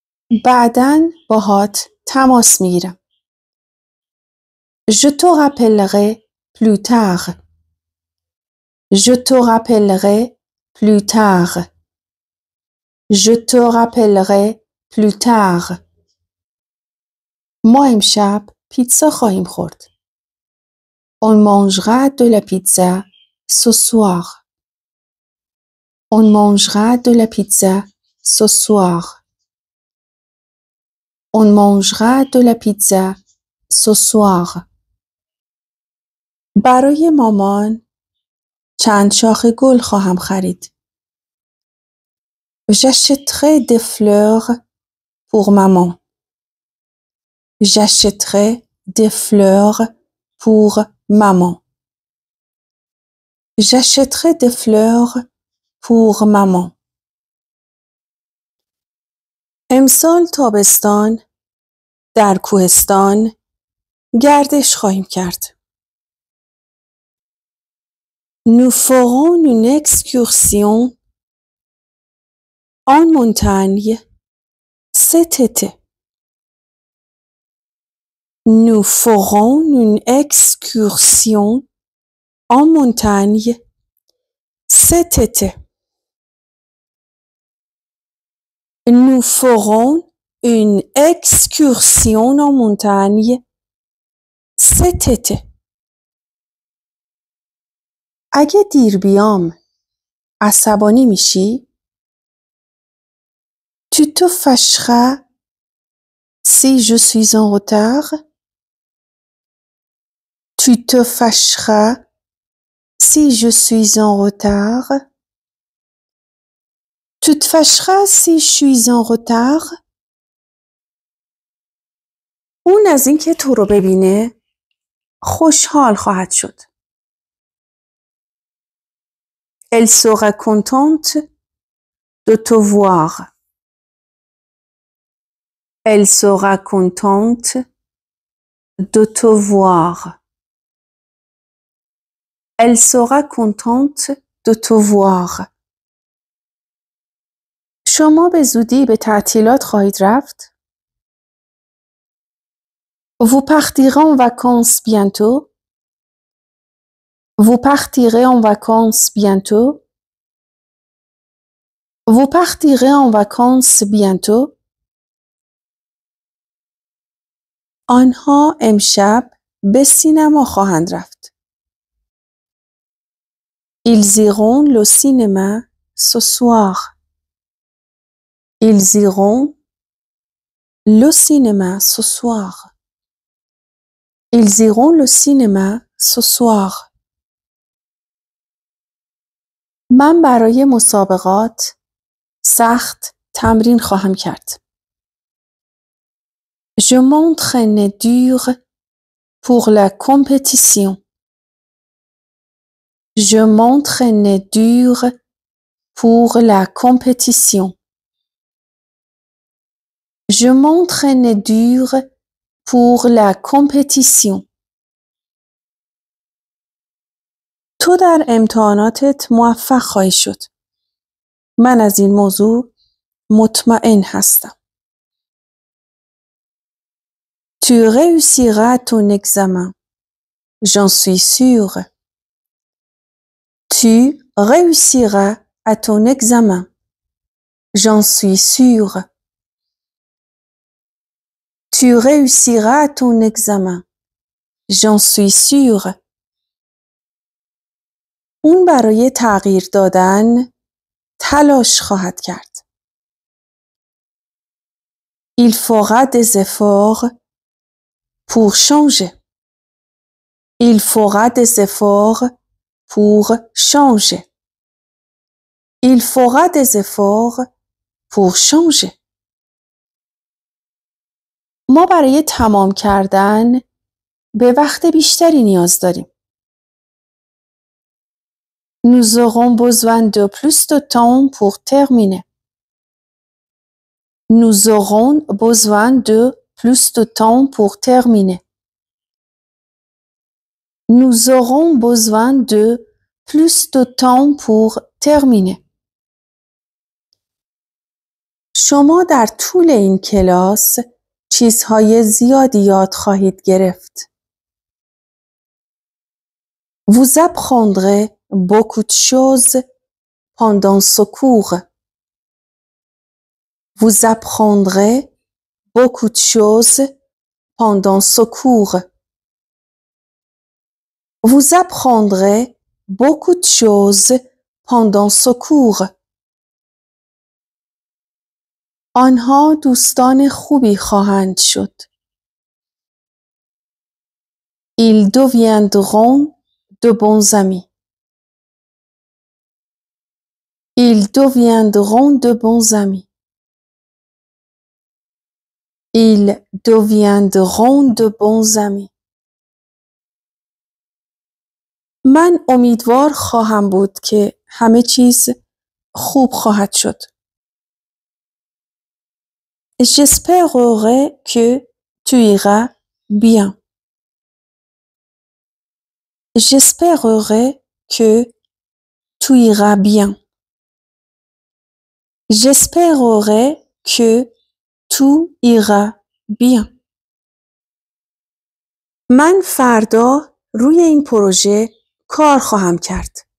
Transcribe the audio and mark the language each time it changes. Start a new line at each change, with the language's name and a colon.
Persian: Badan bohat tamas miram.
French: Je te rappellerai plus tard. Je te rappellerai plus tard. Je te rappellerai plus tard.
Persian: Moi, امشب پیتزا خواهیم خورد.
French: On mangera de la pizza ce soir. On mangera de la pizza ce soir. On mangera de la pizza ce soir.
Persian: برای مامان چند شاخ گل خواهم خرید.
French: J'achèterai des fleurs pour maman. J'achèterai des fleurs pour maman. J'achèterai des fleurs pour maman.
Persian: امسال تابستان در کوهستان گردش خواهیم کرد.
French: Nous ferons une excursion en montagne cet été. Nous ferons une excursion en montagne cet été. Nous ferons une excursion en montagne cet été.
Persian: اگه دیر بیام عصبانی میشی؟
French: Tu te fâcheras si je suis en retard? Tu te fâcheras si je suis en retard? Tu te fâcheras si je suis en retard?
Persian: اون از اینکه تو رو ببینه خوشحال خواهد شد.
French: Elle sera contente de te voir. Elle sera contente de te voir. Elle sera contente de te voir.
Persian: شما به زودی به تعطیلات خواهید رفت؟
French: Vous partirez en vacances bientôt? Vous partirez en vacances bientôt? Vous partirez en vacances bientôt?
Persian: آنها امشب به سینما خواهند رفت.
French: Ils iront au cinéma ce soir. Ils iront au cinéma ce soir. Ils iront au cinéma ce soir.
Persian: من برای مسابقات سخت تمرین خواهم کرد.
French: Je m'entraîne dur pour la compétition. Je m'entraîne dur pour la compétition. Je m'entraîne dur pour la compétition.
Persian: تو در امتحاناتت موفق خواهی شد. من از این موضوع مطمئن هستم.
French: Tu réussiras ton examen. J'en suis sûr. Tu réussiras à ton examen. J'en suis sûr. Tu réussiras à ton examen. J'en suis sûr.
Persian: اون برای تغییر دادن تلاش خواهد کرد.
French: Il fera des efforts pour changer. Il fera des efforts pour changer. Il fera des efforts pour changer.
Persian: ما برای تمام کردن به وقت بیشتری نیاز داریم.
French: Nous aurons besoin de plus de temps pour terminer. Nous aurons besoin de plus de temps pour terminer. Nous aurons besoin de plus de temps pour terminer.
Persian: شما در طول این کلاس چیزهای زیادی یاد خواهید گرفت.
French: Vous apprendrez beaucoup de choses pendant ce cours. Vous apprendrez beaucoup de choses pendant ce cours. Vous apprendrez beaucoup de choses pendant ce cours.
Persian: آنها دوستان خوبی خواهند شد.
French: Ils deviendront de bons amis. Ils deviendront de bons amis. Ils deviendront de bons amis.
Persian: من امیدوار خواهم بود که همه چیز خوب خواهد شد.
French: J'espérerai que tu iras bien. J'espérerai que tu iras bien. J'espérerai que tout ira bien.
Persian: من فردا روی این پروژه کار خواهم کرد.